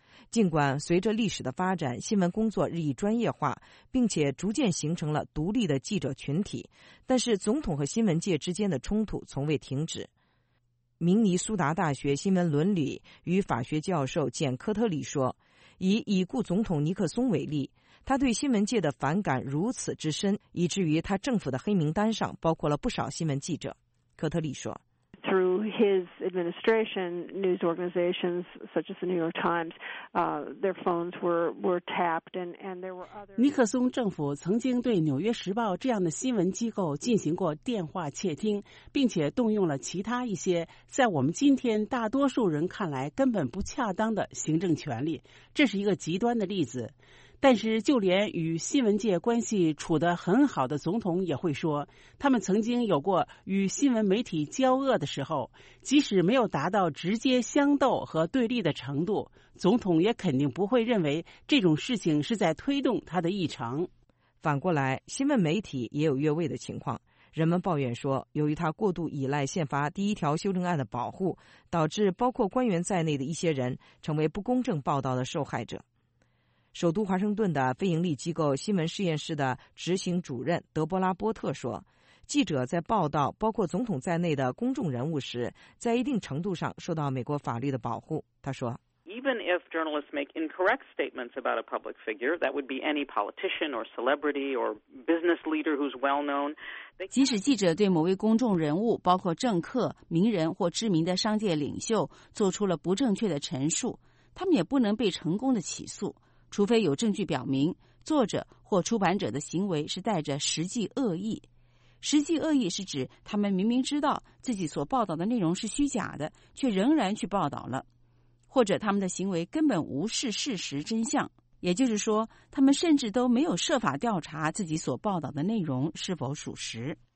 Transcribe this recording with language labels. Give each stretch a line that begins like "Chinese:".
Chinese: 尽管随着历史的发展，新闻工作日益专业化，并且逐渐形成了独立的记者群体，但是总统和新闻界之间的冲突从未停止。明尼苏达大学新闻伦理与法学教授简·科特里说，以已故总统尼克松为例，他对新闻界的反感如此之深，以至于他政府的黑名单上包括了不少新闻记者。科特里说，
English: Through his administration, news organizations such as the New York Times, their phones were tapped, and there were other.
Chinese: 尼克松政府曾经对《纽约时报》这样的新闻机构进行过电话窃听，并且动用了其他一些在我们今天大多数人看来根本不恰当的行政权力。这是一个极端的例子。但是就连与新闻界关系处得很好的总统也会说，他们曾经有过与新闻媒体交恶的时候，即使没有达到直接相斗和对立的程度，总统也肯定不会认为这种事情是在推动他的议程。反过来，新闻媒体也有越位的情况。人们抱怨说，由于他过度依赖宪法第一条修正案的保护，导致包括官员在内的一些人成为不公正报道的受害者。首都华盛顿的非营利机构新闻实验室的执行主任德波拉·波特说，记者在报道包括总统在内的公众人物时，在一定程度上受到美国法律的保护。他说，
English: Even if journalists make incorrect statements about a public figure, that would be any politician or celebrity or business leader who's well known.
Chinese: 即使记者对某位公众人物，包括政客、名人或知名的商界领袖，做出了不正确的陈述，他们也不能被成功的起诉。除非有证据表明作者或出版者的行为是带着实际恶意。实际恶意是指他们明明知道自己所报道的内容是虚假的，却仍然去报道了，或者他们的行为根本无视事实真相，也就是说他们甚至都没有设法调查自己所报道的内容是否属实。